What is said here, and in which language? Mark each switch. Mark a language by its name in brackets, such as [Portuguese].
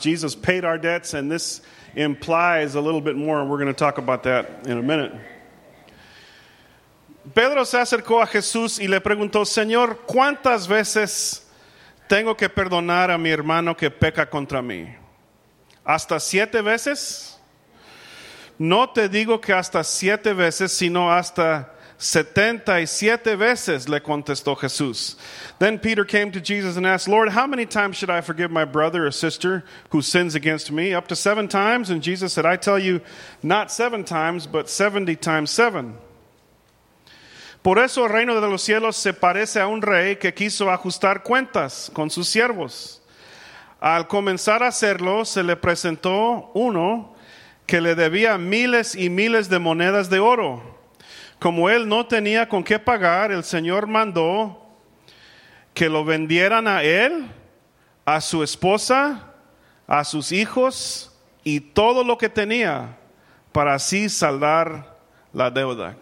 [English] Jesus paid our debts and this implies a little bit more. We're going to talk about that in a minute. [Spanish] Pedro se acercó a Jesús y le preguntó, Señor, ¿cuántas veces tengo que perdonar a mi hermano que peca contra mí? ¿Hasta siete veces? No te digo que hasta siete veces, sino hasta 77 veces, le contestó Jesús. [English] Then Peter came to Jesus and asked, Lord, how many times should I forgive my brother or sister who sins against me? Up to seven times? And Jesus said, I tell you, not seven times, but 70 times seven. [Spanish] Por eso el reino de los cielos se parece a un rey que quiso ajustar cuentas con sus siervos. Al comenzar a hacerlo, se le presentó uno que le debía miles y miles de monedas de oro. Como él no tenía con qué pagar, el Señor mandó que lo vendieran a él, a su esposa, a sus hijos y todo lo que tenía para así saldar la deuda.